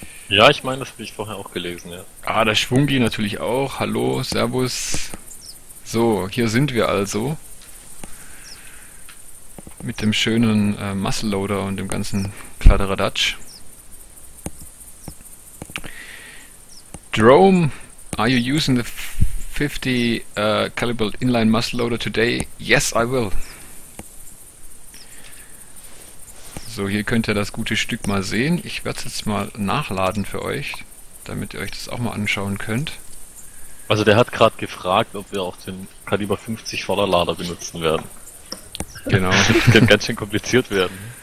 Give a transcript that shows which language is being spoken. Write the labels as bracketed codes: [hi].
[de] Ja, ich meine, das habe ich vorher auch gelesen, ja. Ah, der Schwungi natürlich auch. Hallo, Servus. So, hier sind wir also. Mit dem schönen Muscle Loader und dem ganzen Kladderadatsch. [en] Drome, are you using the 50 caliber inline muscle loader today? Yes, I will. [de] So, hier könnt ihr das gute Stück mal sehen. Ich werde es jetzt mal nachladen für euch, damit ihr euch das auch mal anschauen könnt. Also der hat gerade gefragt, ob wir auch den Kaliber 50 Vorderlader benutzen werden. Genau. Das könnte ganz schön kompliziert werden.